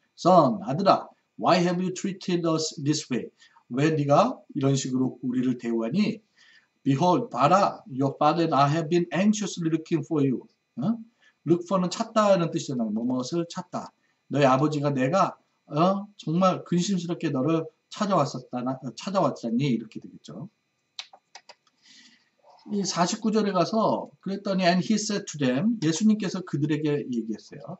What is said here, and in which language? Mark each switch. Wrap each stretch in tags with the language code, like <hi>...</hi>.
<en>Son,</en> <ko>아들아,</ko> <en>why have you treated us this way?</en> <ko>왜 네가 이런 식으로 우리를 대우하니?</ko> <en>Behold,</en> <ko>봐라,</ko> <en>your father and I have been anxiously looking for you. Look for</en> <ko>는 찾다라는 뜻이잖아요. 무엇을 찾다. 너의 아버지가 내가 정말 근심스럽게 너를 찾아왔잖니 이렇게 되겠죠. 이 49절에 가서 그랬더니</ko> <en>and he said to them,</en> <ko>예수님께서 그들에게 얘기했어요.</ko>